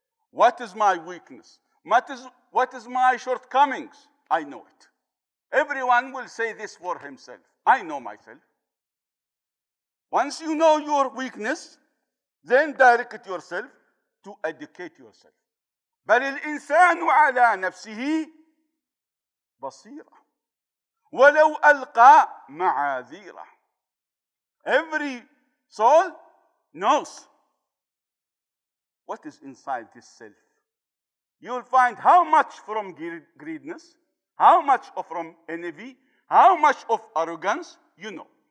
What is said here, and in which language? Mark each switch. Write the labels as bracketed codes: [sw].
[en] What is my weakness? What is my shortcomings? I know it. Everyone will say this for himself. I know myself. Once you know your weakness, then direct yourself to educate yourself. [ar] بل الإنسان على نفسه بصيرة ولو ألقى معاذيرة. [en] Every soul knows what is inside this self. You'll find how much from greediness, how much from envy, how much of arrogance, you know.